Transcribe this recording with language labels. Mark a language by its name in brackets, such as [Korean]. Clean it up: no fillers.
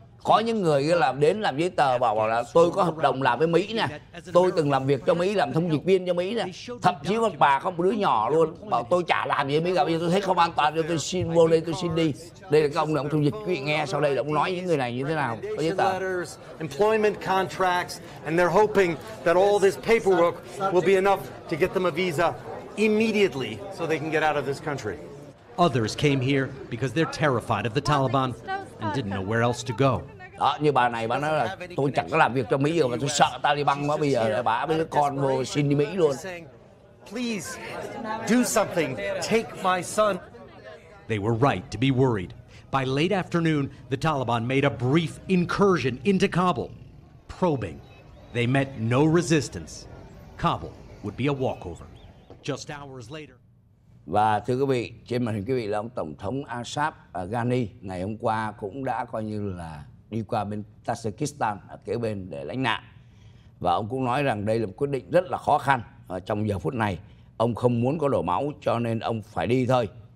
[Vietnamese] Có những người là đến làm giấy tờ, bảo là tôi có hợp đồng làm với Mỹ nè, tôi từng làm việc cho Mỹ, làm thông dịch viên cho Mỹ nè, thậm chí một bà không, đứa nhỏ luôn, bảo tôi chả làm gì với Mỹ cả, bây giờ tôi thấy không an toàn cho tôi xin vô đây, tôi xin đi. Đây là cái ông, thông dịch, quý vị nghe sau đây là ông nói những người này như thế nào, có giấy tờ. [English] Employment contracts, and they're hoping that all this paperwork will be enough to get them a visa immediately so they can get out of this country. Others came here because they're terrified of the Taliban and didn't know where else to go. [Vietnamese] Đó, như bà này bà nói là tôi chẳng có làm việc cho Mỹ rồi, mà tôi sợ Taliban quá, bây giờ là bà với đứa con vô xin đi Mỹ luôn. [English] Please do something, take my son. They were right to be worried. By late afternoon, the Taliban made a brief incursion into Kabul, probing. They met no resistance. Kabul would be a walkover. Just hours later. [Vietnamese] Và thưa quý vị, trên màn hình quý vị là ông Tổng thống Ashraf Ghani ngày hôm qua cũng đã coi như là đi qua bên Tajikistan, ở kế bên để lãnh nạn. Và ông cũng nói rằng đây là một quyết định rất là khó khăn. Và trong giờ phút này, ông không muốn có đổ máu, cho nên ông phải đi thôi.